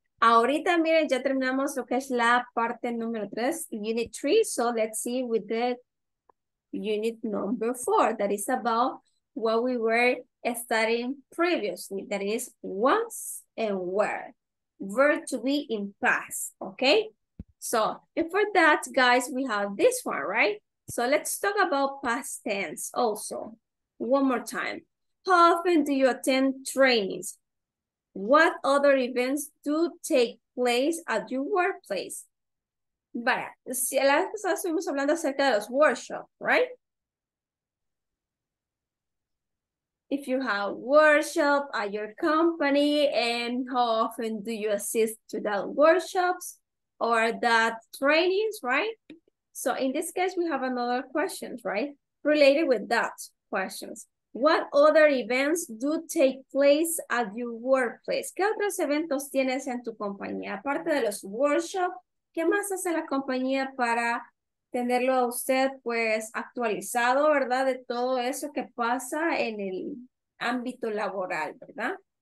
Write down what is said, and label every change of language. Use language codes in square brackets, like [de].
[es] Ahorita, miren, ya terminamos lo que es la parte número 3, unit 3. [en] So, let's see with the unit number 4. That is about what we were studying previously. That is once and where. Verb to be in past, okay? So, before that, guys, we have this one, right? So, let's talk about past tense also. One more time. How often do you attend trainings? What other events do take place at your workplace? [es] Vaya, si la vez pasada estuvimos hablando acerca de los workshops, right? [en] If you have workshop at your company, and how often do you assist to that workshops or that trainings, right? So in this case, we have another question, right? Related with that questions. What other events do take place at your workplace? [es] ¿Qué otros eventos tienes en tu compañía? Aparte de los workshops, ¿qué más hace la compañía para tenerlo a usted pues actualizado, verdad? De todo eso que pasa en el ámbito laboral, ¿verdad?